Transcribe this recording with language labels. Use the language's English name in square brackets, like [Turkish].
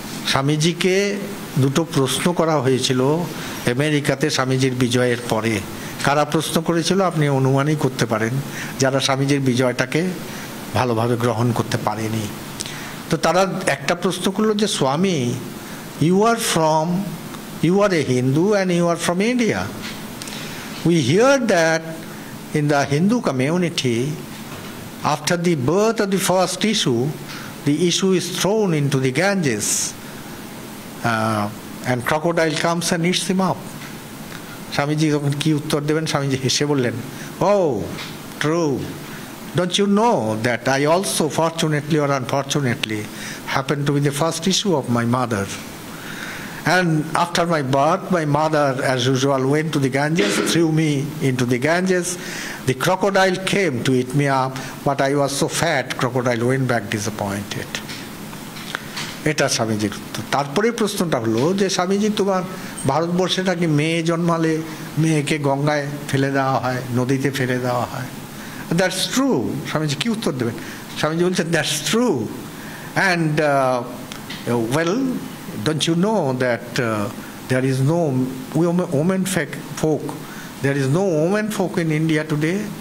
[Bangla] স্বামীজিকে দুটো প্রশ্ন করা হয়েছিল আমেরিকাতে স্বামীজির বিজয়ের পরে কারা প্রশ্ন করেছিল আপনি অনুমানই করতে পারেন যারা স্বামীজির বিজয়টাকে ভালোভাবে গ্রহণ করতে পারেনি তো তারা একটা প্রশ্ন করলো যে [English] Swami you are from You are a Hindu and you are from India. We hear that in the Hindu community, after the birth of the first issue, the issue is thrown into the Ganges and crocodile comes and eats him up. Swamiji, what answer do you give? Swamiji said, oh, true. Don't you know that I also, fortunately or unfortunately, happened to be the first issue of my mother? And after my birth, my mother, as usual, went to the Ganges, threw me into the Ganges. The crocodile came to eat me up, but I was so fat, crocodile went back disappointed. [Bangla] এটা স্বামীজির উত্তর। তারপরে প্রশ্নটা হলো যে স্বামীজি, তোমার ভারতবর্ষে নাকি মেয়ে জন্মালে মেয়েকে গঙ্গায় ফেলে দেওয়া হয়, নদীতে ফেলে দেওয়া হয়, [English] That's true? [Bangla] স্বামীজি কী উত্তর দেবেন? স্বামীজি বলছেন, [English] That's true, and well, don't you know that there is no women fake folk, there is no women folk in India today?